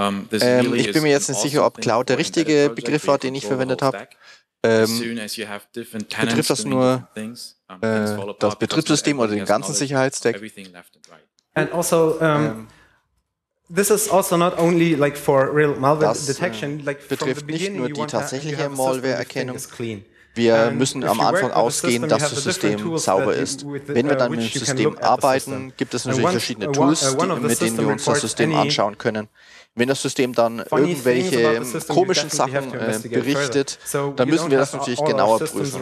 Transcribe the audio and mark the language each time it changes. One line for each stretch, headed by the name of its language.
German: Ich bin mir jetzt nicht sicher, ob Cloud der richtige Begriff war, den ich verwendet habe. Betrifft das nur das Betriebssystem oder den ganzen Sicherheitsstack?
English: And also, this is also not only like for real malware detection, like
German: betrifft nicht nur die tatsächliche Malware-Erkennung. Wir müssen am Anfang ausgehen, dass das System sauber ist. Wenn wir dann mit dem System arbeiten, gibt es natürlich verschiedene Tools, mit denen wir uns das System anschauen können. Wenn das System dann irgendwelche komischen Sachen berichtet, dann müssen wir das natürlich genauer prüfen.